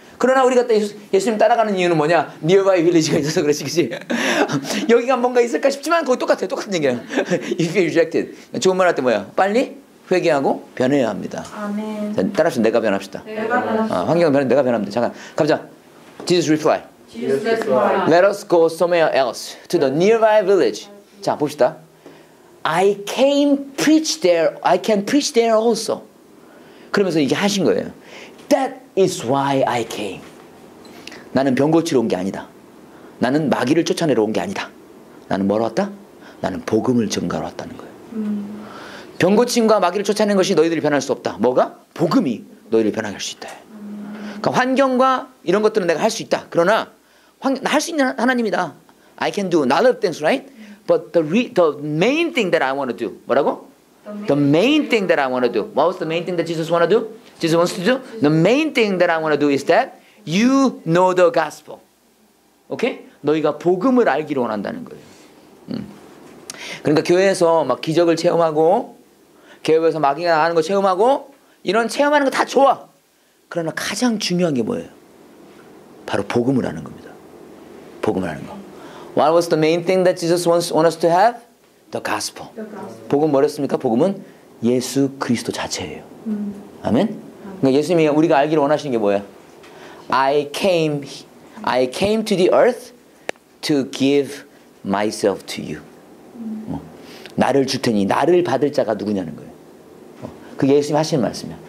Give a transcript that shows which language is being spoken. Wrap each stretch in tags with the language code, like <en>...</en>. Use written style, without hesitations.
<ko>그러나 우리가 예수님 따라가는 이유는 뭐냐? Nearby village가 있어서 그렇지, 그렇지? 여기가 뭔가 있을까 싶지만 거기 똑같아요. 똑같은 얘기예요.</ko> <en>You feel rejected.</en> <ko>좋은 말할 때 뭐야? 빨리 회개하고 변해야 합니다. 아멘. 따라하시면 내가 변합시다. 내가 환경을 변해 내가 변합니다. 잠깐 가보자.</ko> <en>Jesus reply. Jesus reply. Let us go somewhere else to the nearby village.</en> <ko>자 봅시다.</ko> <en>I came preach there. I can preach there also.</en> <ko>그러면서 이게 하신 거예요.</ko> <en>That is why I came.</en> <ko>나는 병 고치러 온 게 아니다. 나는 마귀를 쫓아내러 온 게 아니다. 나는 뭐로 왔다? 나는 복음을 증가하러 왔다는 거예요. 병 고침과 마귀를 쫓아내는 것이 너희들이 변할 수 없다. 뭐가? 복음이 너희를 변하게 할 수 있다. 그러니까 환경과 이런 것들은 내가 할 수 있다. 그러나 나 할 수 있는 하나님이다.</ko> <en>I can do a lot of things, right? But the main thing that I want to do.</en> <ko>뭐라고?</ko> <en>The main thing that I want to do. What was the main thing that Jesus want to do? Jesus wants to do? The main thing that I want to do is that you know the gospel. Okay?</en> <ko>너희가 복음을 알기를 원한다는 거예요. 그러니까 교회에서 막 기적을 체험하고 교회에서 마귀가 나가는 거 체험하고 이런 체험하는 거 다 좋아. 그러나 가장 중요한 게 뭐예요? 바로 복음을 하는 겁니다. 복음을 하는 거.</ko> <en>What was the main thing that Jesus want us to have? The gospel.</en> <ko>복음 뭐랬습니까? 복음은 예수 그리스도 자체예요. 아멘? 그러니까 예수님이 우리가 알기를 원하시는 게 뭐예요?</ko> <en>I came to the earth to give myself to you.</en> <ko>나를 줄 테니 나를 받을 자가 누구냐는 거예요. 그게 예수님 하시는 말씀이야.</ko>